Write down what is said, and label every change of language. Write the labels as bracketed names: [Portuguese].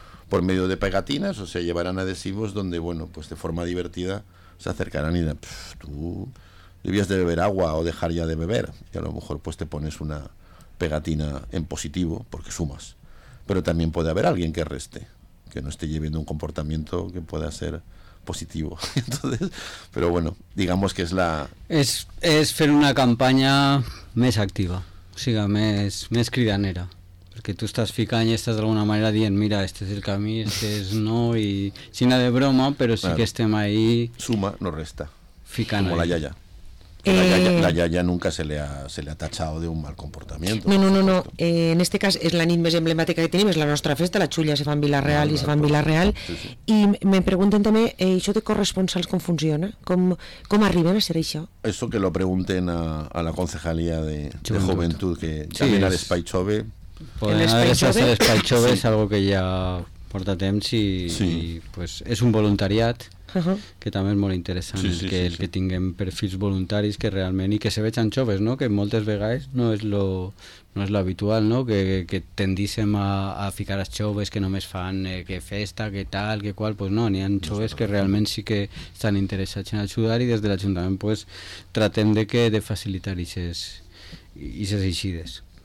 [Spanish] Por medio de pegatinas, o sea, llevarán adhesivos donde, bueno, pues de forma divertida se acercarán y dirán, tú debías de beber agua o dejar ya de beber, y a lo mejor pues te pones una pegatina en positivo porque sumas, pero también puede haber alguien que reste, que no esté llevando un comportamiento que pueda ser positivo, entonces, pero bueno, digamos que es la... [Catalan] Es fer una campanya més activa, o sigui, més cridanera, perquè tu estàs ficant i estàs d'alguna manera dient, mira, este és el camí, este és no, i xina de broma, però sí, bueno, que estem ahí... [Spanish] Suma, no resta. [Catalan] Ficant com ahí. [Spanish] La yaya. La yaya nunca se le ha tachado de un mal comportamiento. No. En este caso [Catalan] es la nit més emblemàtica que tenim, és la nostra festa, la Chulla se fa en Vila-real i se fa en Vila-real. Sí. I me pregunten també, això de corresponsals com funciona? Com arriben a ser això? [Spanish] Eso que lo pregunten a la Concejalía de Juventud, que sí, también al Espai Jove. [Catalan] L'Espai Jove és algo que ja porta temps i, sí. i pues, és un voluntariat. Uh-huh. Que també és molt interessant, sí, sí, que sí, el sí. que tinguem perfils voluntaris que realment i que se vegin joves, no? Que moltes vegades no és lo habitual, no? Que tendíssim a ficar els joves que només fan que festa, que tal, que qual, pues no, n'hi ha joves que realment sí que estan interessats en ajudar, i des de l'Ajuntament pues tratem de facilitar aquestes eixides.